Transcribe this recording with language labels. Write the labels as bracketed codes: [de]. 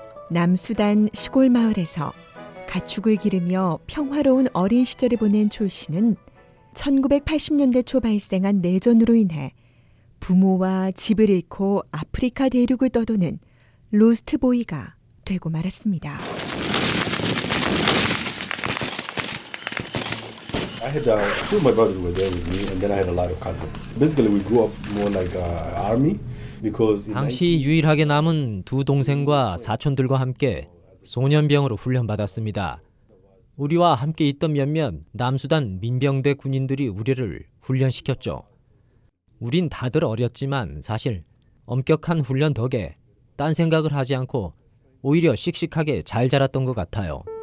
[ko] 남수단 시골 마을에서 가축을 기르며 평화로운 어린 시절을 보낸 촐 씨는 1980년대 초 발생한 내전으로 인해 부모와 집을 잃고 아프리카 대륙을 떠도는 로스트 보이가 되고 말았습니다. [en] I had two of my brothers were there with me, and then I had a lot of cousins. Basically, we grew up more like an army. [ko] 당시 유일하게 남은 두 동생과 사촌들과 함께 소년병으로 훈련받았습니다. 우리와 함께 있던 몇몇 남수단 민병대 군인들이 우리를 훈련시켰죠. 우린 다들 어렸지만 사실 엄격한 훈련 덕에 딴 생각을 하지 않고 오히려 씩씩하게 잘 자랐던 것 같아요.